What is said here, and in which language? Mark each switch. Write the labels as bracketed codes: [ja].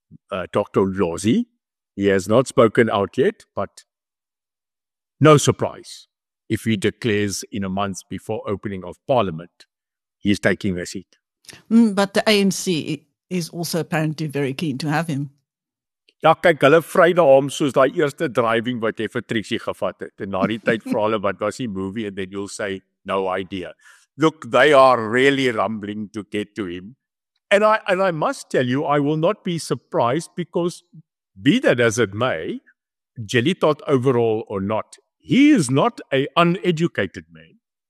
[en] Dr. Lozi, he has not spoken out yet, but no surprise if he declares in a month before opening of parliament, he's taking the seat. But the ANC is also apparently very keen to have him. [af] Ja, kyk, hulle vry na hom soos die eerste driving wat hy vir Trixie gevat het. En na die tyd vra hulle, wat was die movie? [en] And then you'll say, no idea. Look, they are really rumbling to get to him. And I must tell you, I will not be surprised because, be that as it may, Jelitot overall or not, he is not an uneducated man.